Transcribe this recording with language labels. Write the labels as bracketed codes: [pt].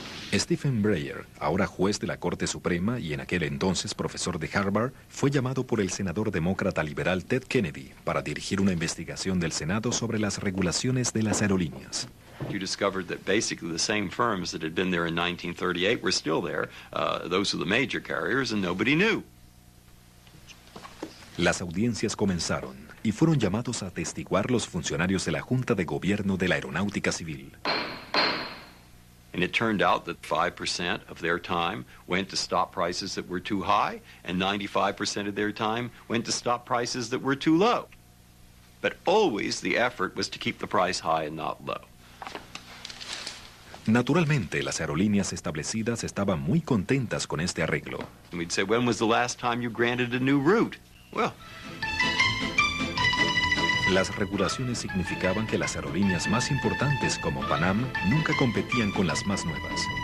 [es] Stephen Breyer, ahora juez de la Corte Suprema y en aquel entonces profesor de Harvard, fue llamado por el senador demócrata liberal Ted Kennedy para dirigir una investigación del Senado sobre las regulaciones de las aerolíneas. [en] You discovered that basically the same firms that had been there in 1938 were still there, those were the major carriers, and nobody knew. [es] Las audiencias comenzaron y fueron llamados a testiguar los funcionarios de la Junta de Gobierno de la Aeronáutica Civil. [en] And it turned out that 5% of their time went to stop prices that were too high, and 95% of their time went to stop prices that were too low. But always the effort was to keep the price high and not low. [es] Naturalmente, las aerolíneas establecidas estaban muy contentas con este arreglo. [en] We'd say, when was the last time you granted a new route? Well. [es] Las regulaciones significaban que las aerolíneas más importantes como Pan Am nunca competían con las más nuevas.